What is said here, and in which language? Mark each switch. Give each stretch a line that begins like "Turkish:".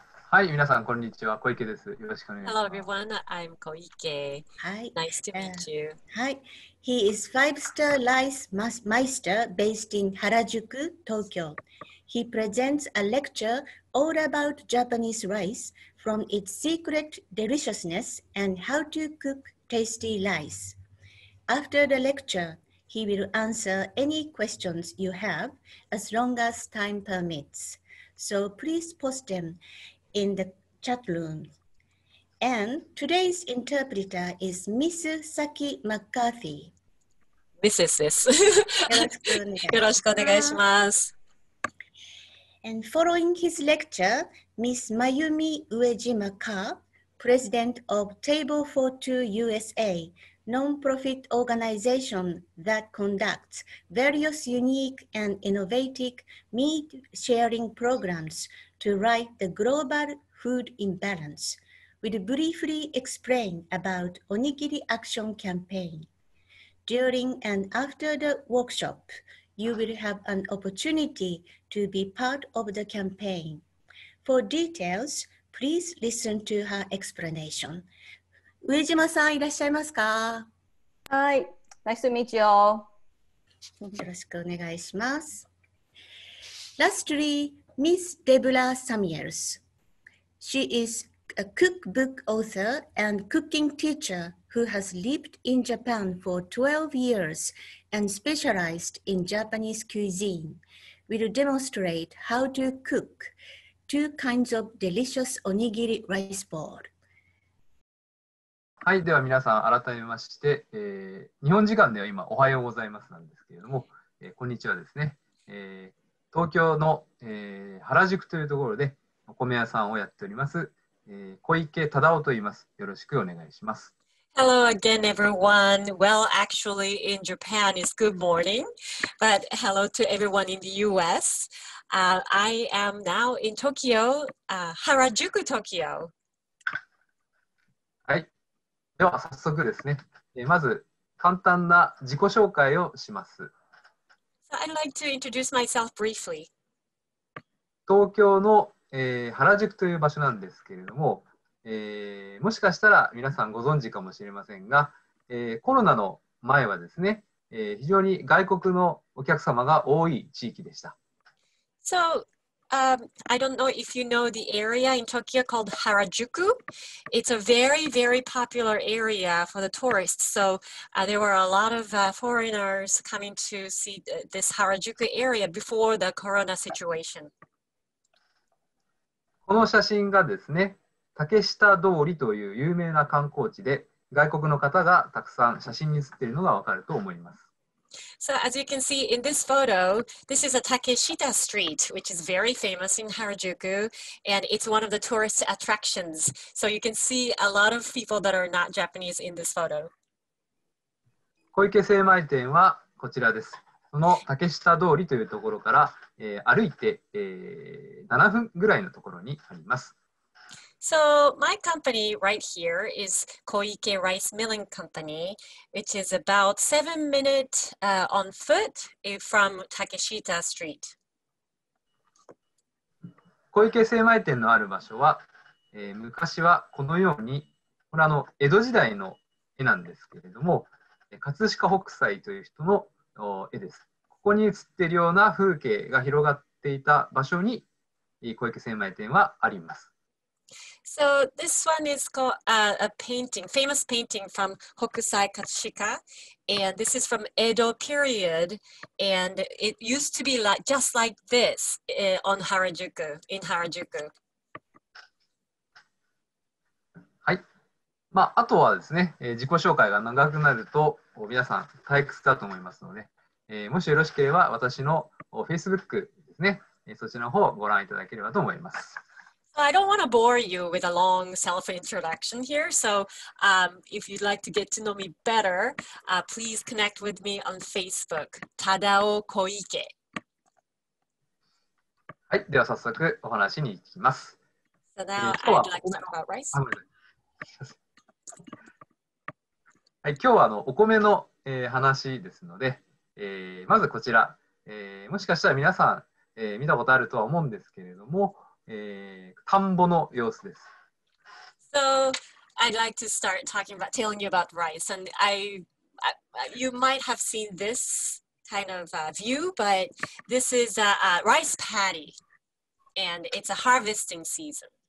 Japanese: はい、皆さん、こんにちは。小池です。よろしくお願いします。
English: Hello, everyone. I'm Koike. Hi. Nice to meet you. Hi. He is five-star rice meister based in Harajuku, Tokyo. He presents a lecture all about Japanese rice, from its secret deliciousness and how to cook tasty rice. After the lecture, he will answer any questions you have as long as time permits. So please post them in the chat room. And today's interpreter is Mrs. Saki McCarthy.
Japanese: Mrs. です。よろしくお願いします。
English: And following his lecture, Ms. Mayumi Uejima-ka, president of Table for Two USA, non-profit organization that conducts various unique and innovative meat sharing programs to right the global food imbalance, will briefly explain about Onigiri Action Campaign. During and after the workshop, you will have an opportunity to be part of the campaign. For details, please listen to her explanation.
Japanese: Uejima-san, いらっしゃいますか?
English: Hi, nice to meet you all.
Japanese: よろしくお願いします。
English: Lastly, Ms. Deborah Samuels. She is a cookbook author and cooking teacher who has lived in Japan for 12 years and specialized in Japanese cuisine. Will demonstrate how to cook two kinds of delicious onigiri rice ball.
Japanese: はい、では皆さん改めまして、日本時間では今おはようございますなんですけれども、こんにちはですね、東京の、原宿というところでお米屋さんをやっております、小池忠夫と言います。よろしくお願いします。
English: Hello again, everyone. Well, actually, in Japan, it's good morning. But hello to everyone in the US. I am now in Tokyo, Harajuku, Tokyo.
Japanese: はい。では早速ですね。まず簡単な自己紹介をします。
English: So、I'd like to introduce myself briefly.
Japanese: 東京の、原宿という場所なんですけれども、もしかしたら皆さんご存知かもしれませんが、コロナの前はですね、非常に外国のお客様が多い地域でした。
English: So, I don't know if you know the area in Tokyo called Harajuku. It's a very, very popular area for the tourists. So there were a lot of foreigners coming to see this Harajuku area before the corona situation.
Japanese: この写真がですね、竹下通りという有名な観光地で、外国の方がたくさん写真に写っているのがわかると思います。
English: So as you can see in this photo, this is a Takeshita Street, which is very famous in Harajuku, and it's one of the tourist attractions. So you can see a lot of people that are not Japanese in this photo.
Japanese: 小池精米店はこちらです。その竹下通りというところから、歩いて、7分ぐらいのところにあります。
English: So my company right here is Koike Rice Milling Company, which is about 7 minutes on foot from Takeshita Street.
Japanese: 小池精米店のある場所は、昔はこのように、これ江戸時代の絵なんですけれども、葛飾北斎という人の絵です。ここに写っているような風景が広がっていた場所に小池精米店はあります。
English: So this one is called a painting, famous painting from Hokusai Katsushika, and this is from Edo period, and it used to be like just like this on Harajuku, in Harajuku.
Japanese: はい。まああとはですね、自己紹介が長くなると皆さん退屈だと思いますので、もしよろしければ私の Facebook ですね、そちらの方をご覧いただければと思います。
English: I don't want to bore you with a long self-introduction here, so if you'd like to get to know me better, please connect with me on Facebook, Tadao Koike.
Japanese: はい、では早速お話しに行きます。
English: So now I'd like to talk about rice.
Japanese: はい、今日はお米の、話ですので、まずこちら、もしかしたら皆さん、見たことあるとは思うんですけれども、田んぼの様子です。
English: So, I'd like to start talking about telling you about rice. And you might have seen this kind of view, but this is a rice paddy. And it's a harvesting season.